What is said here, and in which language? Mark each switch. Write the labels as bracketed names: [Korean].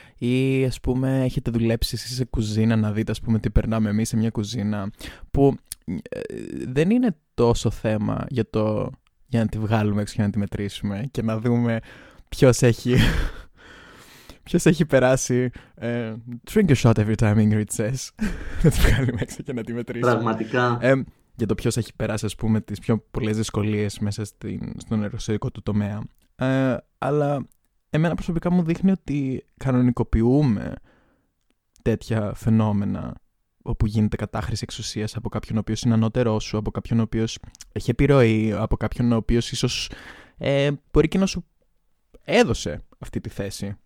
[Greek] Ή, ας πούμε, έχετε δουλέψει εσείς σε κουζίνα να δείτε, ας πούμε, τι περνάμε εμείς σε μια κουζίνα. Που δεν είναι τόσο θέμα για το για να τη βγάλουμε έξω και να τη μετρήσουμε και να δούμε ποιος έχει, ποιος έχει περάσει. [English] Drink a shot every time Ingrid says. [Greek] Να τη βγάλουμε έξω και να τη μετρήσουμε. Πραγματικά. Για το ποιος έχει περάσει, ας πούμε, τις πιο πολλές δυσκολίες μέσα στον εργασιακό του τομέα. Αλλά εμένα προσωπικά μου δείχνει ότι κανονικοποιούμε τέτοια φαινόμενα όπου γίνεται κατάχρηση εξουσίας από κάποιον ο οποίος είναι ανώτερός σου, από κάποιον ο οποίος έχει επιρροή, από κάποιον ο οποίος ίσως μπορεί και να σου έδωσε αυτή τη θέση.